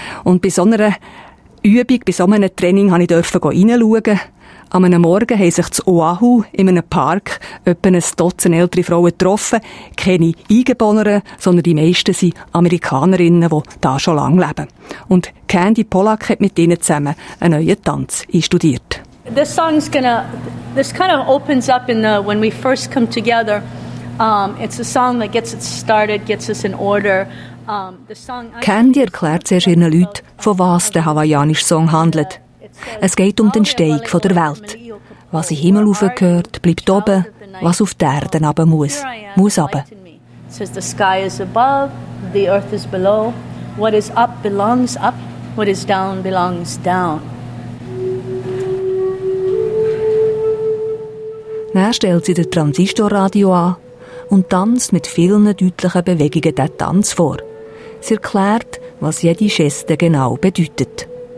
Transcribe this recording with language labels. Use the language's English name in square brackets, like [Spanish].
[German] Und bei so einer Übung, bei so einem Training durfte ich reinschauen. An einem Morgen haben sich zu Oahu in einem Park etwa ein Dutzend ältere Frauen getroffen. Keine Eingeborenen, sondern die meisten sind Amerikanerinnen, die da schon lange leben. Und Candy Pollack hat mit ihnen zusammen einen neuen Tanz studiert. [English] This song's gonna, this kind of opens up in the, when we first come together. It's a song that gets us started, gets us in order. [German] Candy erklärt zuerst ihren Leuten, von was der hawaiianische Song handelt. Es geht um den Steig der Welt. Was in den Himmel aufgehört, bleibt oben, was auf der Erde runter muss, muss runter. [English] It says the sky is above, the earth is below. What is up belongs up, what is down belongs down. [German] Dann stellt sie das Transistorradio an und tanzt mit vielen deutlichen Bewegungen den Tanz vor. Sie erklärt, was jede Geste genau bedeutet.